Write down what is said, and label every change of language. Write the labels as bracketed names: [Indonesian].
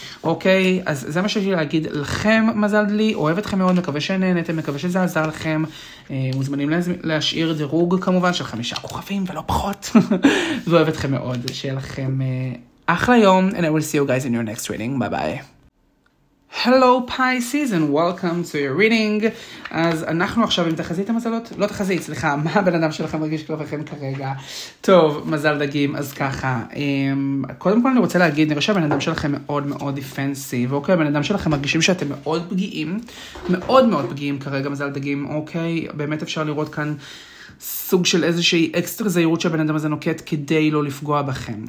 [Hebrew] אוקיי, אז זה מה שיש לי להגיד לכם, מזל לי, אוהב אתכם מאוד, מקווה שנהנתם, מקווה שזה עזר לכם, מוזמנים להשאיר דירוג כמובן של 5 כוכבים ולא פחות, ואוהב אתכם מאוד, שיהיה לכם אחלה יום, [English] and I will see you guys in your next reading, bye bye. Hello Pisces and welcome to your reading. [Hebrew] אז אנחנו עכשיו עם תחזית המזלות, לא תחזית, סליחה, מה הבן אדם שלכם מרגיש כלפיכם כרגע? טוב, מזל דגים, אז ככה, קודם כל אני רוצה להגיד, נראה שהבן אדם שלכם מאוד מאוד דיפנסיב, אוקיי, הבן אדם שלכם מרגישים שאתם מאוד פגיעים, מאוד מאוד פגיעים כרגע, מזל דגים, אוקיי, באמת אפשר לראות כאן סוג של איזושהי אקסטר זהירות שהבן אדם הזה נוקט כדי לא לפגוע בכם.